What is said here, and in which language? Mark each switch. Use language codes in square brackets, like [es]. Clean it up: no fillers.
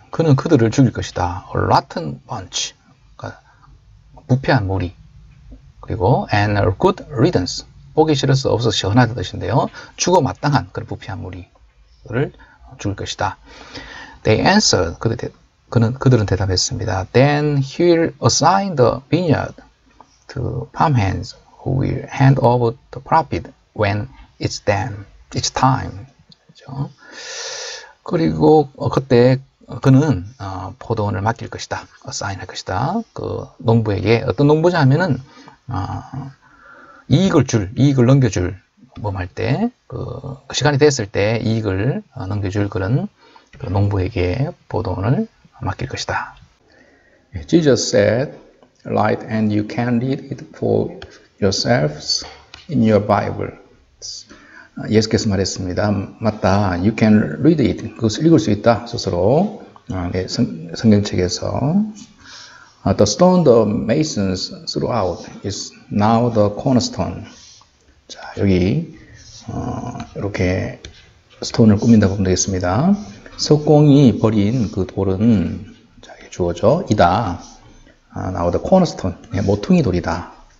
[ko] 그는 그들을 죽일 것이다. [en] A rotten bunch. [ko] 그러니까 부패한 무리. 그리고 [en] and a good riddance. [ko] 보기 싫을 수 없어 시원한 뜻인데요. 죽어 마땅한 그런 부패한 무리를 죽일 것이다. [en] They answered. [ko] 그들은 대답했습니다. [en] Then he'll assign the vineyard to farmhands who will hand over the profit when it's done. It's time. 그렇죠? [ko] 그리고 그때 그는 포도원을 맡길 것이다. 사인할 것이다. 그 농부에게 어떤 농부냐면은 이익을 넘겨줄 할 때 그 시간이 됐을 때 이익을 넘겨줄 그런 그 농부에게 포도원을 맡길 것이다. [en] Jesus said, "Light, and you can read it for yourselves in your Bible." [ko] 예수께서 말했습니다. 맞다. [en] You can read it. [ko] 그것을 읽을 수 있다. 스스로. 성경책에서. [en] The stone the masons threw out is now the cornerstone. [ko] 자, 여기, 이렇게 스톤을 꾸민다고 보면 되겠습니다. 석공이 버린 그 돌은, 자, 이게 주어져. 이다. [en] Now the cornerstone. [ko] 네, 모퉁이 돌이다.